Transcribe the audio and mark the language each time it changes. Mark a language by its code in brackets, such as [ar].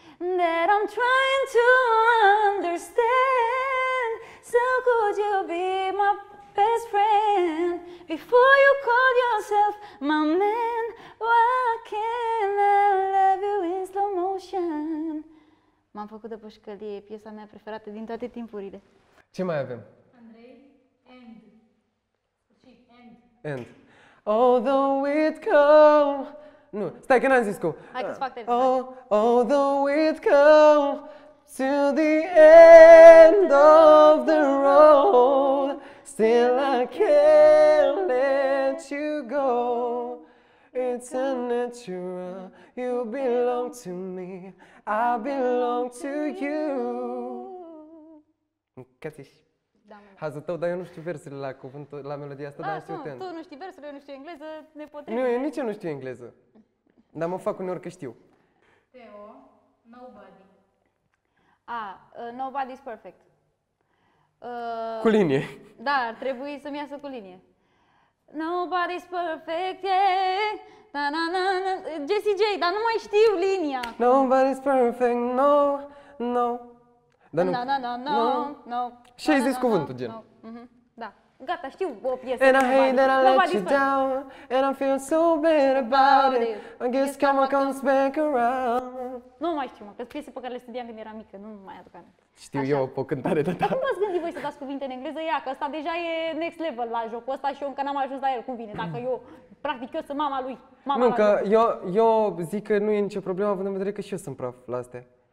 [en] That I'm trying to understand. So could you be my best friend, before you call yourself my man, why can't I love you in slow motion? [ro] M-am făcut de pușcălie, piesa mea preferată din toate timpurile. Ce mai avem? Andrei, end. [en] Although it come... [ro] Nu, stai că n-am zis cu... Hai că-ți fac [en] although it come to the end of the road, still I can't let you go. It's unnatural, you belong to me, I belong to you. Cățiși. [ro] Da, hazul tău, dar eu nu știu versurile la cuvântul, la melodia asta, dar știu tu. Tu nu știi versurile, eu nu știu engleză, ne potrivim. Nu, eu nici eu nu știu engleză. Dar mă fac uneori că știu. [en] Teo, nobody. Nobody's perfect. [ro] Cu linie. Da, ar trebui să-mi iasă cu linie. [en] Nobody's perfect, yeah. [ro] Na, na, na, Jessie J, dar nu mai știu linia. [en] Nobody's perfect, no, no. [ro] Dar nu. Na, na, na, no, no. Și ai zis cuvântul, gen. Da, gata, știu o piesă. [en] And I hate that I let you down. And I feel so bad about it. I guess karma comes back around. [ro] Nu mai știu, mă, că piese pe care le studiam când eram mică, nu mai aduc aminte. Știu așa. Eu pe o cântare de ta. Dar cum v-ați gândit voi să dați cuvinte în engleză? Ia, că ăsta deja e next level la jocul ăsta și eu încă n-am ajuns la el. Cum vine? Dacă eu, practic, eu sunt mama lui. Mama nu, că eu zic că nu e nicio problemă, având în vedere că și eu sunt praf la astea.